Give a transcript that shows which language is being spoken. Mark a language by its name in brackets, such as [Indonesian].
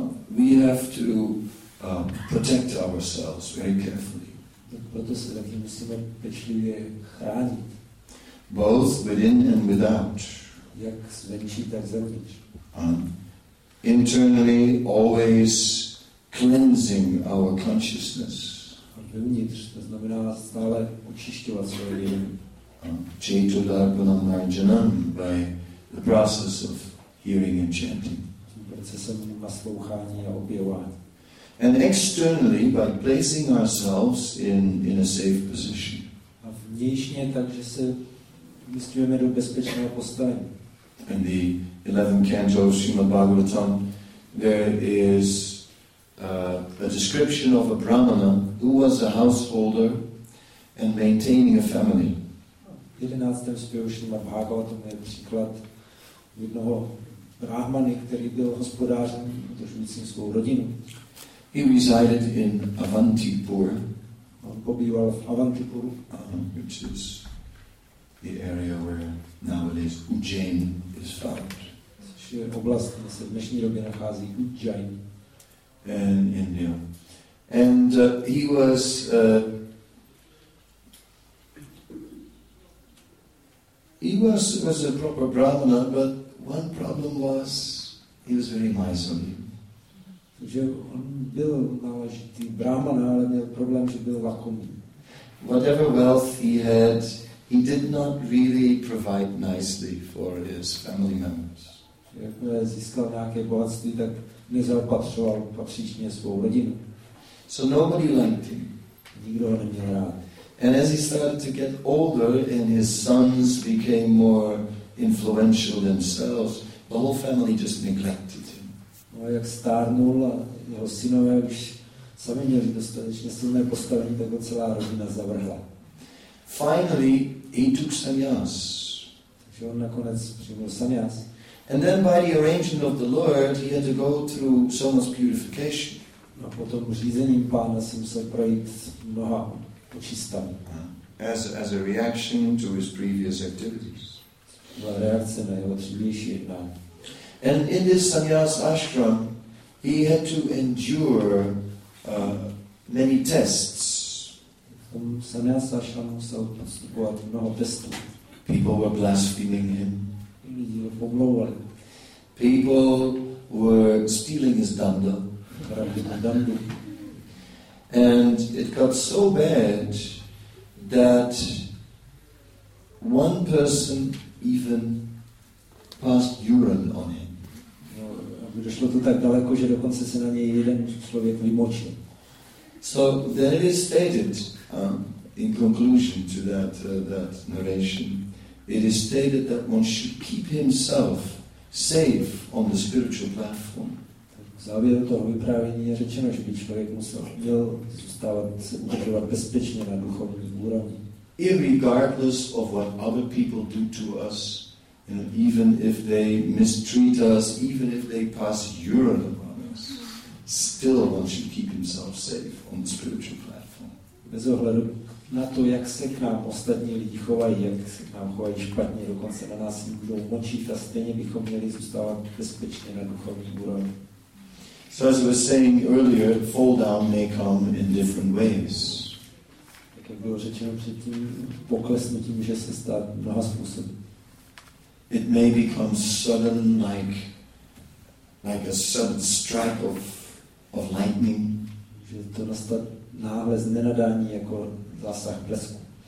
[English] We have to protect ourselves very carefully. [Czech] Proto se taky musíme pečlivě chránit. [English] Both within and without. [Czech] Jak zvenčí, tak zevnitř. [English] Internally, always cleansing our consciousness. [Czech] Vnitř, to znamená stále očišťovat svoje vědomí. [English] Chaitodarpanam narjanam by the process of hearing and chanting. [Czech] Procesem naslouchání a objevování. [English] And externally by placing ourselves in a safe position. [Czech] A vnitřně tak, že se umisťujeme do bezpečného postavení. [English] In the 11th canto of Srimad Bhagavatam, there is a description of a brahmana who was a householder and maintaining a family. [Czech] V 11. zpěvu Srimad Bhagavatam je příklad jednoho brahmany, který byl hospodářem, udržujícím svou rodinu. [English] He resided in Avantipur. [Czech] On pobýval v Avantipuru. [English] Which is the area where nowadays Ujjain is found. [Czech] Což je oblast, kde se v dnešní době nachází Ujjain. [English] In India. And he was he was a proper brahmana, but one problem was he was very miserly. [Czech] Takže on byl náležitý brahmana, ale měl problém, že byl lakomý. [English] Whatever wealth he had, he did not really provide nicely for his family members. [Czech] Jakmile získal nějaké bohatství, tak nezaopatřoval patřičně svou rodinu. [English] So nobody liked him. [Czech] Nikdo ho neměl rád. [English] And as he started to get older and his sons became more influential themselves, the whole family just neglected him. [Czech] No, jak stárnul a jeho synové už sami měli dostatečně silné postavení, tak ho celá rodina zavrhla. [English] Finally, he took sannyas. [Czech] Takže on nakonec přijmul sannyas. [English] And then by the arrangement of the Lord, he had to go through so much purification. [Czech] No, potom řízením pána si musel projít mnoha očistami. [English] As a reaction to his previous activities. [Czech] Byla reakce na jeho dřívější jednání. [English] And in this sannyas ashram, he had to endure many tests. [Czech] V tom sannyas ashramu musel postupovat mnoho testů. [English] People were blaspheming him. [Czech] Lidi ho pomlouvali. [English] People were stealing his danda. And it got so bad that one person even passed urine on him. [Czech] No, došlo to tak daleko, že dokonce se na něj jeden člověk vymočil. [English] So then it is stated, in conclusion to that narration, it is stated that one should keep himself safe on the spiritual platform. [Czech] V závěru toho vyprávění je řečeno, že by člověk měl zůstávat, se udržovat bezpečně na duchovní úrovni. [English] Irregardless of what other people do to us, even if they mistreat us, even if they pass urine upon us, still one should keep himself safe on the spiritual platform. [Czech] Bez ohledu na to, jak se k nám ostatní lidi chovají, jak se k nám chovají špatně, dokonce na nás můžou močit a stejně bychom měli zůstávat bezpečně na duchovní úrovni. [English] So as I was saying earlier, fall down may come in different ways. [Czech] Tak jak bylo řečeno předtím, poklesnutí může se stát mnoha způsoby. [English] It may become sudden, like a sudden strike of lightning. [Czech] Může to nastat náhle z nenadání, jako zásah blesku.